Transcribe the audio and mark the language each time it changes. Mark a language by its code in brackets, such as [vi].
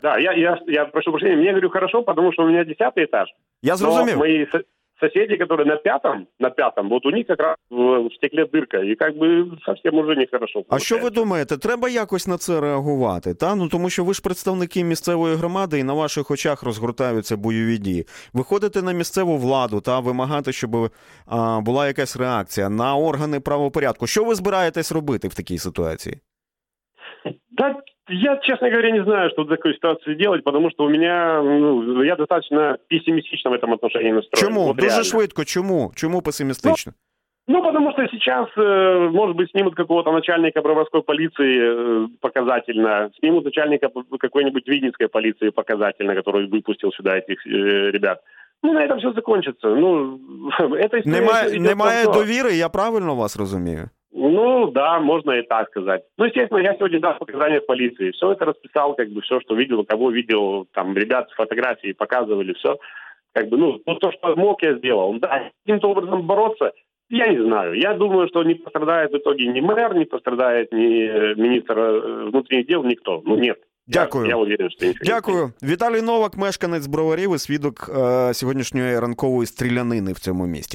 [ru] Да, я прошу прощения, мне говорю хорошо, потому что у меня 10-й этаж. [uk] Я зрозумів. [ru] Мои соседи, которые на пятом, вот у них как раз в стекле дырка, и как бы совсем уже нехорошо. А что вы думаете, [uk] треба якось на це реагувати, та? Ну, тому що ви ж представники місцевої громади, і на ваших очах розгортаються бойові дії. Виходити на місцеву владу та вимагати, щоб була якась реакція на органи правопорядку. Що ви збираєтесь робити в такій ситуації? Так. [ru] Я, честно говоря, не знаю, что в такой ситуации делать, потому что у меня, ну, я достаточно пессимистично в этом отношении настроен. Чему? [uk] Вот дуже реально. Швидко. [ru] Чему? Чему пессимистично? Ну, потому что сейчас, может быть, снимут какого-то начальника Броварской полиции показательно, снимут начальника какой-нибудь Винницкой полиции показательно, который выпустил сюда этих ребят. Ну, на этом все закончится. Ну, это история. [uk] Немає довіри, я правильно вас розумію? [ru] Ну, да, можно и так сказать. Ну, естественно, я сегодня дал показания в полиции. Все это расписал, как бы, все, что видел, кого видел, там, ребят фотографии показывали, все. Как бы, ну, то, что мог, я сделал. Да, каким-то образом бороться, я не знаю. Я думаю, что не пострадает в итоге ни мэр, не пострадает ни министр внутренних дел, никто. Ну, нет. [uk] Дякую. [ru] Я уверен, что ничего. [uk] Дякую. Віталій Новак, мешканець Броварів, свідок сьогоднішньої ранкової стрілянини в цьому місті.